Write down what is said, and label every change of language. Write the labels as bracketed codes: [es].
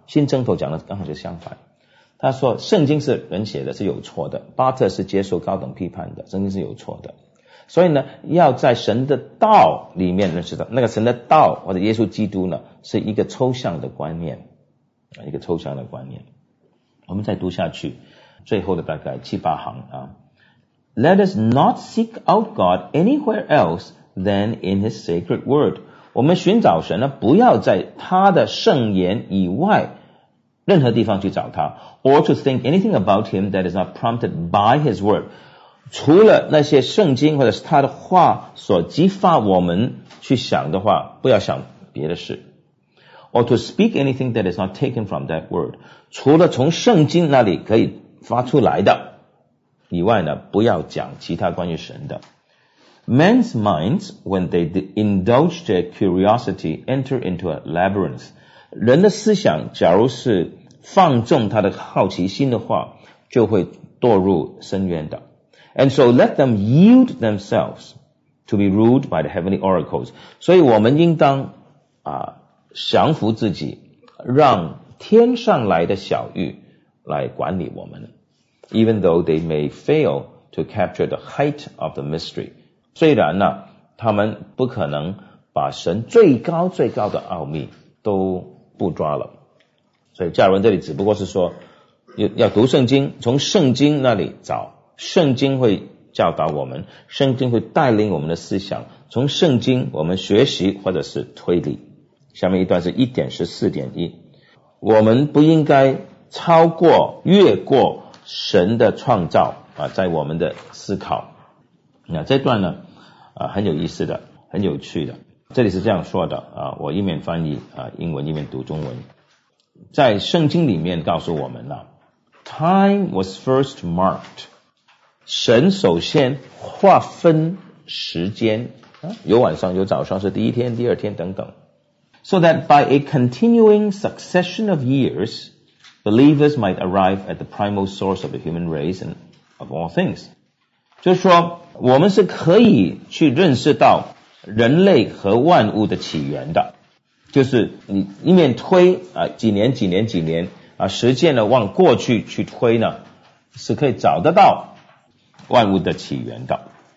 [zh] 新正统讲的刚好是相反，他说圣经是人写的，是有错的，巴特是接受高等批判的，圣经是有错的，所以呢要在神的道里面认识他。那个神的道或者耶稣基督呢是一个抽象的观念，一个抽象的观念。我们再读下去最后的大概七八行啊。 [en] Let us not seek out God anywhere else than in his sacred word. [zh] 我们寻找神呢不要在他的圣言以外任何地方去找他。 [en] Or to think anything about him that is not prompted by his word. [zh] 除了那些圣经或者是他的话所激发我们去想的话，不要想别的事。 [en] Or to speak anything that is not taken from that word, [zh] 除了从圣经那里可以发出来的以外呢，不要讲其他关于神的。 [en] Men's minds, when they indulge their curiosity, enter into a labyrinth. [zh] 人的思想假如是放纵他的好奇心的话，就会堕入深渊的。 [en] And so let them yield themselves to be ruled by the heavenly oracles. [zh] 所以我们应当降服自己，让天上来的小谕来管理我们。 [en] Even though they may fail to capture the height of the mystery. [zh] 虽然呢，他们不可能把神最高最高的奥秘都捕抓了。所以加尔文这里只不过是说，要读圣经，从圣经那里找。圣经会教导我们，圣经会带领我们的思想，从圣经我们学习或者是推理。下面一段是 1.14.1， 我们不应该超过越过神的创造在我们的思考。那这段呢很有意思的，很有趣的，这里是这样说的我一面翻译英文一面读中文。在圣经里面告诉我们 [en] time was first marked. [zh] 神首先划分时间，有晚上有早上，是第一天第二天等等。 [en] So that by a continuing succession of years, believers might arrive at the primal source of the human race and of all things. [zh] 就是说我们是可以去认识到人类和万物的起源的，就是你一面推啊，几年几年几年啊，时间呢往过去去推呢，是可以找得到万物的起源的。